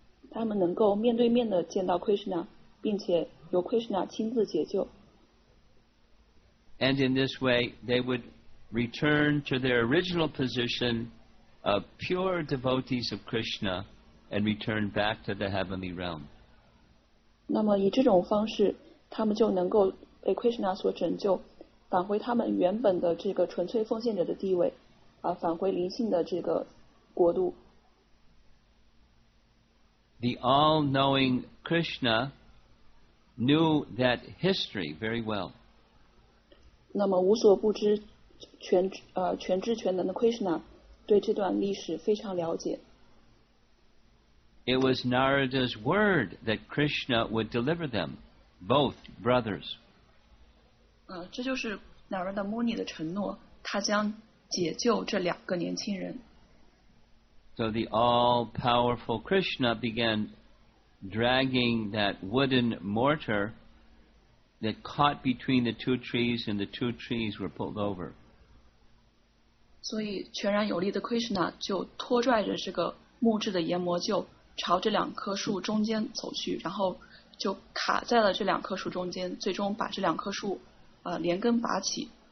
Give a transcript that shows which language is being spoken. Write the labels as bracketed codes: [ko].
[zh] 他们能够面对面的见到 Krishna， 并且由 Krishna 亲自解救。 [en] And in this way, they would return to their original position of pure devotees of Krishna and return back to the heavenly realm. [zh] 那么以这种方式，他们就能够被 Krishna 所拯救，返回他们原本的这个纯粹奉献者的地位，返回灵性的这个国度。 [en] the all-knowing Krishna knew that history very well. [zh] 那么无所不知全知全能的 Krishna 对这段历史非常了解。 [en] It was Narada's word that Krishna would deliver them, both brothers. [zh] 这就是 Narada Muni 的承诺，他将解救这两个年轻人。 [en] So the all-powerful Krishna began dragging that wooden mortar that caught between the two trees, and the two trees were pulled over. [zh] 所以全然有力的 Krishna 就拖拽着这个木质的研磨臼朝这两棵树中间走去，然后就卡在了这两棵树中间，最终把这两棵树连根拔起。